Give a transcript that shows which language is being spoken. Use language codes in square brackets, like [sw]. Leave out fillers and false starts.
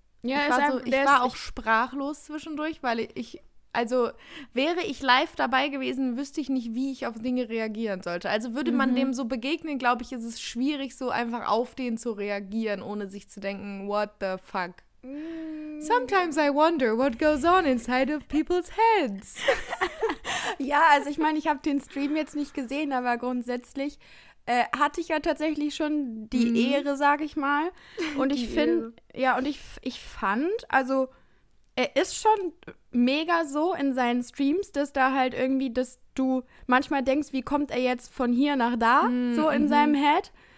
[de] Ja, ich war auch sprachlos zwischendurch, weil ich, also wäre ich live dabei gewesen, wüsste ich nicht, wie ich auf Dinge reagieren sollte. Also würde man dem so begegnen, glaube ich, ist es schwierig, so einfach auf den zu reagieren, ohne sich zu denken, [en] what the fuck. Sometimes I wonder what goes on inside of people's heads. [de] Ja, also ich meine, ich habe den Stream jetzt nicht gesehen, aber grundsätzlich hatte ich ja tatsächlich schon die Ehre, sage ich mal. Und ich finde, ja, und ich fand, also er ist schon mega so in seinen Streams, dass da halt irgendwie, dass du manchmal denkst, wie kommt er jetzt von hier nach da, so in seinem Head.